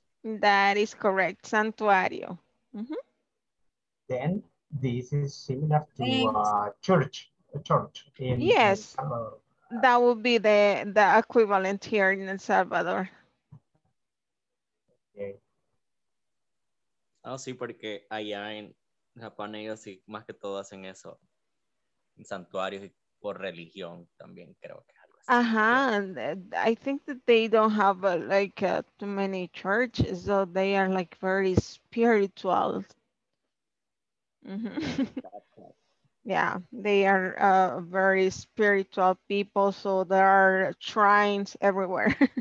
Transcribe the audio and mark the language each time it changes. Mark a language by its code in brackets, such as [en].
[en] That is correct. Santuario. Mm-hmm. Then this is similar to church. A church. In yes. That would be the equivalent here in El Salvador. Okay. [es] Oh, sí, porque allá en Japón ellos sí más que todo hacen eso. En santuarios y por religión también creo que es algo así. Ajá, [en] I think that they don't have too many churches, so they are like very spiritual. Mm-hmm. Yeah, they are very spiritual people, so there are shrines everywhere.